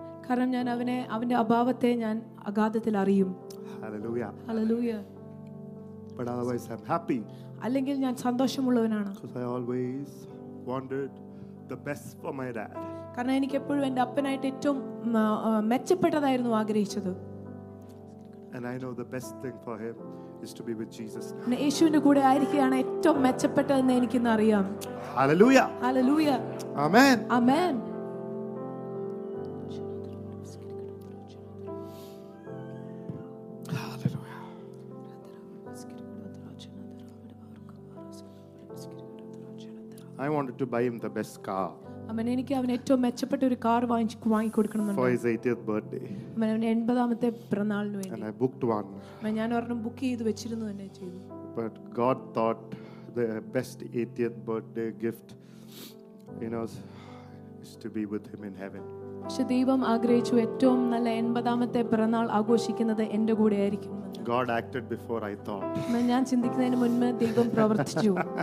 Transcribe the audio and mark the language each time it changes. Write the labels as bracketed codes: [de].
[ml] കാരണം ഞാൻ അവനെ അവന്റെ അഭാവത്തെ ഞാൻ അഗാധത്തിൽ അറിയും. [en] Hallelujah. Hallelujah. But otherwise I'm happy. [ml] അല്ലെങ്കിൽ ഞാൻ സന്തോഷമുള്ളവനാണ്. [en] Because I always wanted the best for my dad. [ml] കാരണം എനിക്ക് എപ്പോഴും എൻ്റെ അപ്പനായിട്ട് ഏറ്റവും മെച്ചപ്പെട്ടതായിരുന്നു ആഗ്രഹിച്ചത്. [en] And I know the best thing for him is to be with Jesus. [ml] ഞാൻ യേശുവിന്റെ കൂടെ ആയിരിക്കാനാണ് ഏറ്റവും മെച്ചപ്പെട്ടതെന്ന് എനിക്ക് അറിയാം. [en] Hallelujah. Hallelujah. Amen. Amen. I wanted to buy him the best car. [ml] അമ്മേ എനിക്ക് അവനെ ഏറ്റവും മെച്ചപ്പെട്ട ഒരു കാർ വാങ്ങി കൊടുക്കണമെന്നുണ്ട്. [en] For his 80th birthday. [ml] അമ്മേ അവന്റെ 80th പിറന്നാളിന് വേണ്ടി. [en] And I booked one. [ml] ഞാൻ ഒരെണ്ണം ബുക്ക് ചെയ്ത് വെച്ചിരുന്നു തന്നെ ചെയ്തു. [en] But God thought the best 80th birthday gift, you know, is to be with him in heaven. [ml] ശദീവം ആഗ്രഹിച്ചു ഏറ്റവും നല്ല 80th പിറന്നാൾ ആഘോഷിക്കുന്നത് എൻ്റെ കൂടെ ആയിരിക്കും. [en] God acted before I thought. [ml] അമ്മേ ഞാൻ ചിന്തിക്കുന്നതിന് മുൻപേ ദൈവം പ്രവർത്തിച്ചു.